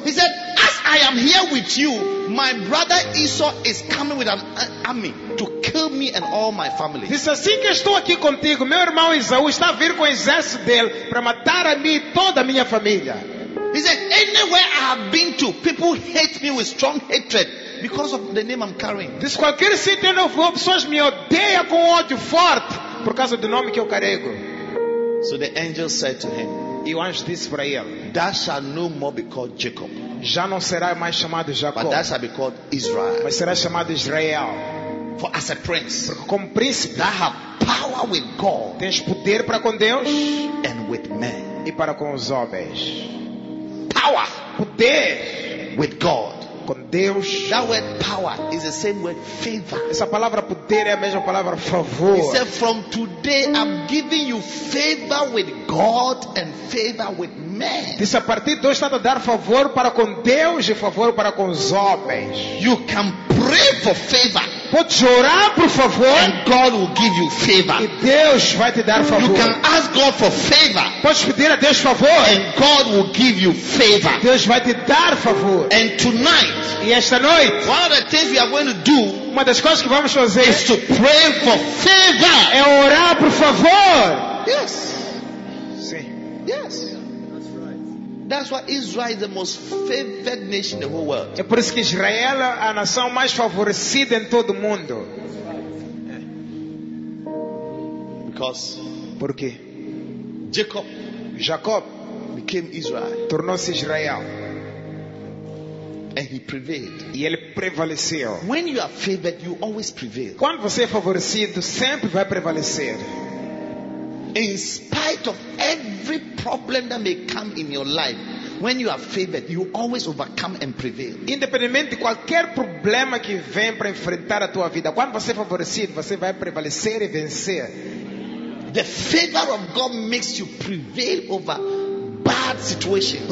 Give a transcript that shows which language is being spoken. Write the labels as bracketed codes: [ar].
[en] He said, "As I am here with you, my brother Esau is coming with an army to kill me and all my family." [pt] Disse: "Assim que estou aqui contigo, meu irmão Esau está a vir com o exército dele para matar a mim e toda a minha família." [en] He said, "Anywhere I have been to, people hate me with strong hatred. because of the name I'm carrying. [pt] Diz qualquer sítio onde eu pessoas me odeiam com ódio forte por causa do nome que eu carrego. [en] So the angel said to him, [pt] e o anjo disse para ele, [en] that shall no more be called Jacob. [pt] Já não será mais chamado Jacob. [en] But that shall be called Israel. [pt] Mas será chamado Israel. [en] For as a prince, [pt] porque como príncipe, [en] that have power with God, [pt] tens poder para com Deus, [en] and with men, [pt] e para com os homens. [en] Power, [pt] poder, [en] with God, [pt] com Deus. [en] That word power is the same word favor. [pt] Essa palavra poder é a mesma palavra favor. [en] He said, from today I'm giving you favor with God and favor with men. [pt] Diz, a partir de hoje está a dar favor para com Deus e favor para com os homens. [en] You can pray for favor. [pt] Pode chorar por favor. [en] And God will give you favor. [pt] E Deus vai te dar favor. [en] You can ask God for favor. [pt] Pode pedir a Deus favor. [en] And God will give you favor. [pt] E Deus vai te dar favor. [en] And tonight, [pt] e esta noite, [en] one of the things we are going to do, [pt] uma das coisas que vamos fazer, [en] is to pray for favor. [pt] É orar por favor. [en] Yes. [pt] Sim. [en] Yes. That's why Israel is the most favored nation in the whole world. [pt] É por isso que Israel é a nação mais favorecida em todo o mundo. [en] Because, [pt] porque [en] Jacob became Israel. [pt] Tornou-se Israel. [en] And he prevailed. [pt] E ele prevaleceu. [en] When you are favored, you always prevail. [pt] Quando você é favorecido, sempre vai prevalecer. [en] In spite of every problem that may come in your life, when you are favored, you always overcome and prevail. [pt] Independente de qualquer problema que vem para enfrentar a tua vida, quando você é favorecido, você vai prevalecer e vencer. [en] The favor of God makes you prevail over bad situations.